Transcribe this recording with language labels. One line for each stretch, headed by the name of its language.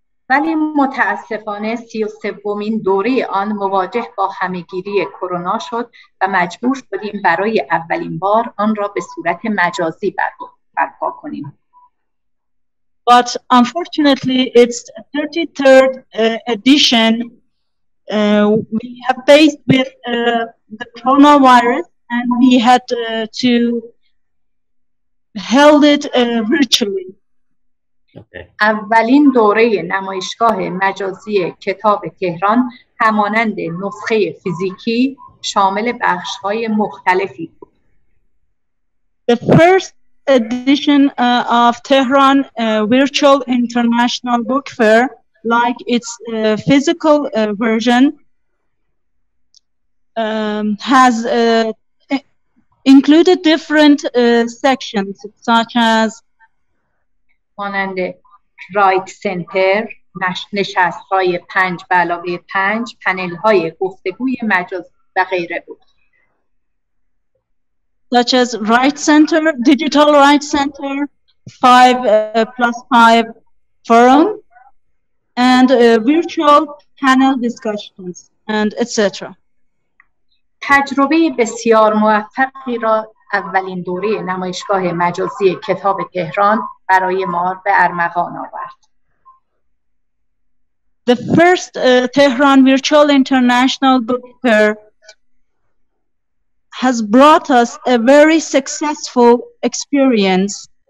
Persian: ولی متاسفانه 33 دوره آن مواجه با همگیری کرونا شد و مجبور شدیم برای اولین بار آن را به صورت مجازی برپا کنیم.
English: But unfortunately its 33rd edition we have faced with the coronavirus and we had to held it virtually.
Persian: اولین دوره نمایشگاه مجازی کتاب تهران همانند نسخه فیزیکی شامل بخش‌های مختلفی بود.
English: The first edition of Tehran Virtual International Book Fair, like its physical version, has included different sections such as
Persian: مانند رایت سنتر، نشست‌های پنج به علاوه پنج، پنل‌های گفتگوی مجازی و غیره بود.
English: Such as Right Center, Digital Right Center, 5+5 Forum, and Virtual Panel Discussions, and etc.
Persian: تجربه بسیار موفقی را اولین دوره نمایشگاه مجازی کتاب تهران برای ما به ارمغان آورد.
English: The first Tehran Virtual International Book Fair has brought us a very successful experience.